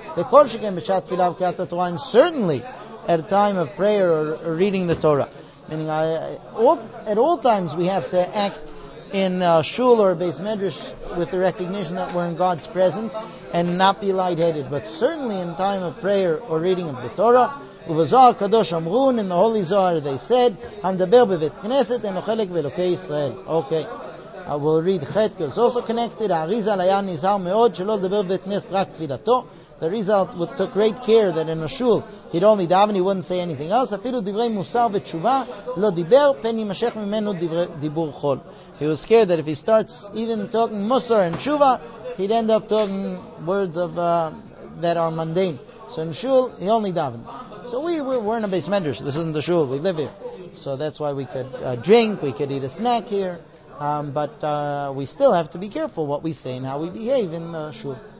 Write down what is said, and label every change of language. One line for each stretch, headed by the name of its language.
English: V'kol shekem b'shat tfilah v'kiyat ha-Torah, and certainly at a time of prayer or reading the Torah. Meaning, at all times we have to act in shul or beis medrash with the recognition that we're in God's presence and not be lightheaded, but certainly in time of prayer or reading of the Torah.
Hebrew: ובזוהר קדוש אמרון, in the holy Zohar they said, המדבר בבית כנסת אינו חלק באלוקי ישראל. Okay, I will read Chet, because also connected, הריזל היה נזהר מאוד שלא לדבר בבית כנסת רק תפילתו.
English: The Rizal took great care that in a shul he'd only daven, he wouldn't say anything else.
Hebrew: אפילו דברי מוסר ותשובה לא דיבר, פן יימשך ממנו דיבור חול.
English: He was scared that if he starts even talking מוסר and תשובה, he'd end up talking words of that are mundane. So in shul, he only daven. So we're in a base medrash. This isn't the shul. We live here. So that's why we could drink. We could eat a snack here. But we still have to be careful what we say and how we behave in the shul.